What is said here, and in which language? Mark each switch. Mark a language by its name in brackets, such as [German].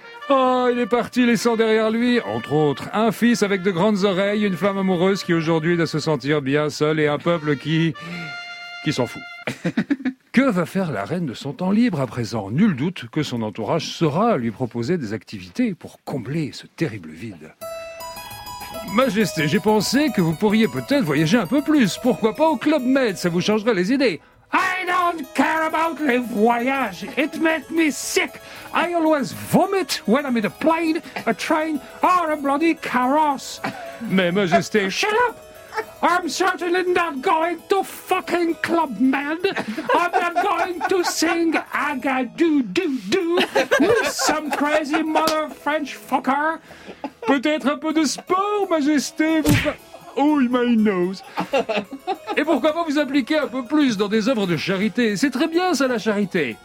[French] Oh, il est parti laissant derrière lui, entre autres, un fils avec de grandes oreilles, une femme amoureuse qui aujourd'hui doit se sentir bien seule et un peuple qui s'en fout. Que va faire la reine de son temps libre à présent? Nul doute que son entourage saura lui proposer des activités pour combler ce terrible vide. Majesté, j'ai pensé que vous pourriez peut-être voyager un peu plus. Pourquoi pas au Club Med, ça vous changerait les idées. [English] I don't care about [French] les voyages. [English] It makes me sick. I always vomit when I'm in a plane, a train or a bloody carrosse. [French] Mais Majesté... [English] Shut up! I'm certainly not going to fucking Club Med. I'm not going to sing Agadou-dou-dou with some crazy mother French fucker. [French] Peut-être un peu de sport, Majesté. Vous... [English] Oh, my nose. [French] Et pourquoi pas vous impliquer un peu plus dans des œuvres de charité? C'est très bien, ça, la charité.